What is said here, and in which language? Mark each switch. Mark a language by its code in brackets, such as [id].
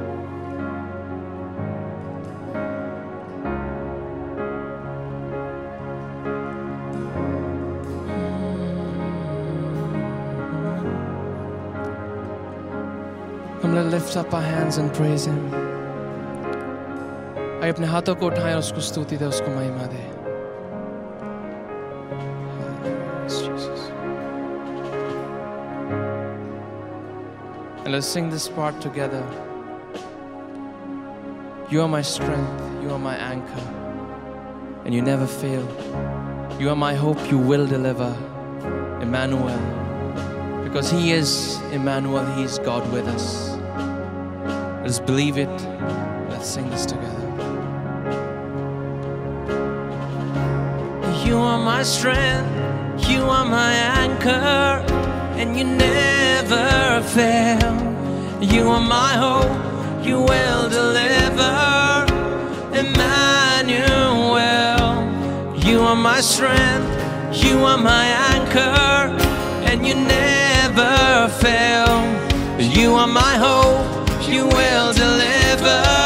[en] Thank you. I'm gonna lift up our hands and praise him. [hi] आइए अपने हाथों को उठाएं और उसको स्तुति दे, उसको महिमा दे. [en] And let's sing this part together. You are my strength, you are my anchor, and you never fail. You are my hope, you will deliver. Emmanuel. Because he is Emmanuel, he is God with us. Let's believe it. Let's sing this together. You are my strength, you are my anchor, and you never fail. You are my hope, you will deliver, Emmanuel. You are my strength, you are my anchor, and you never fail. You are my hope, you will deliver,